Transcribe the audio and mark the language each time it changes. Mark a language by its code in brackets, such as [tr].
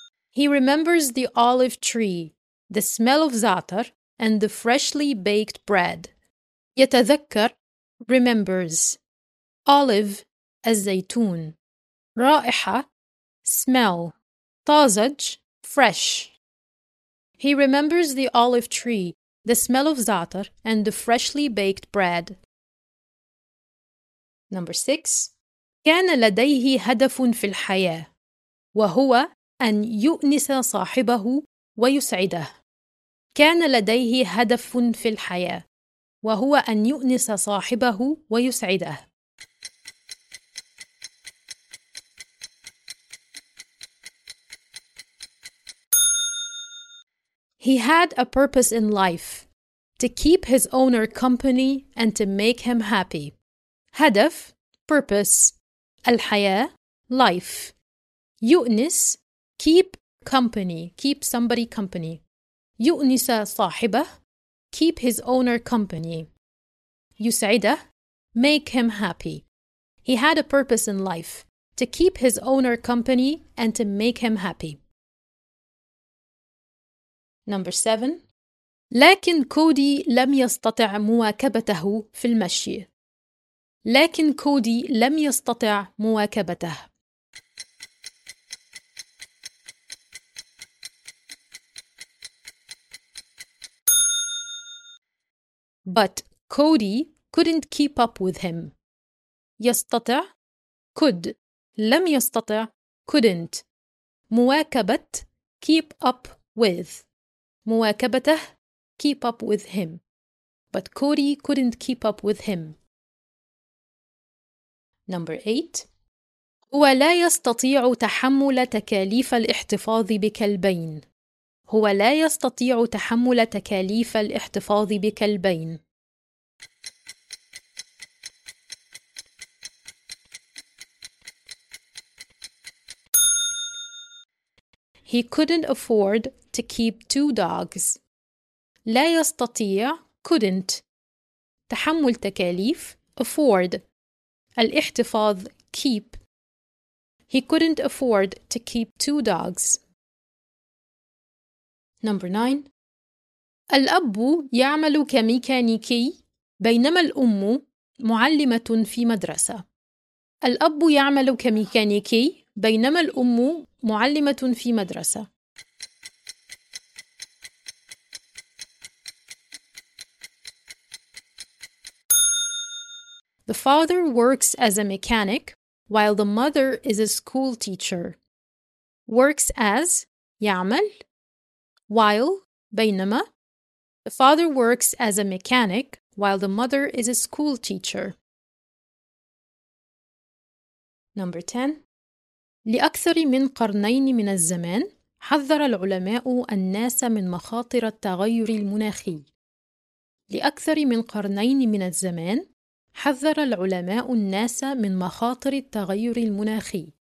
[en] He remembers the olive tree, the smell of za'atar, and the freshly baked bread. [ar] يتذكر [en] remembers olive [ar] الزيتون رائحة [en] smell [ar] طازج [en] fresh. He remembers the olive tree, the smell of za'atar, and the freshly baked bread. Number six. [ar] كان لديه هدف في الحياة وهو أن يؤنس صاحبه ويسعده. كان لديه هدف في الحياة وهو أن يؤنس صاحبه ويسعده. [en] He had a purpose in life, to keep his owner company and to make him happy. [ar] هدف, [en] purpose. [ar] الحياة, [en] life. [ar] يؤنس, [en] keep company, keep somebody company. [ar] يؤنس صاحبه, [en] keep his owner company. [ar] يسعده, [en] make him happy. He had a purpose in life, to keep his owner company and to make him happy. Number 7. [ar] لكن كودي لم يستطع مواكبته في المشي. لكن كودي لم يستطع مواكبته. [en] But Cody couldn't keep up with him. [ar] يستطع, [en] could. [ar] لم يستطع, [en] couldn't. [ar] مواكبة, [en] keep up with. [ar] مواكبته, [en] keep up with him. But Cody couldn't keep up with him. Number 8. [ar] هو لا يستطيع تحمل تكاليف الاحتفاظ بكلبين. هو لا يستطيع تحمل تكاليف الاحتفاظ بكلبين. [en] He couldn't afford to keep two dogs. [ar] لا يستطيع, [en] couldn't. [ar] تحمل تكاليف, [en] afford. [ar] الاحتفاظ, [en] keep. He couldn't afford to keep two dogs. Number 9. [ar] الأب يعمل كميكانيكي بينما الأم معلمة في مدرسة. الأب يعمل كميكانيكي بينما الأم معلمة في مدرسة. [en] The father works as a mechanic while the mother is a school teacher. Works as, [ar] يعمل, [en] while, [ar] بينما. [en] The father works as a mechanic while the mother is a school teacher. Number 10. [ar] لأكثر من قرنين من الزمان حذر العلماء الناس من مخاطر التغير المناخي. لأكثر من قرنين من الزمان حذر العلماء الناس من مخاطر التغير المناخي.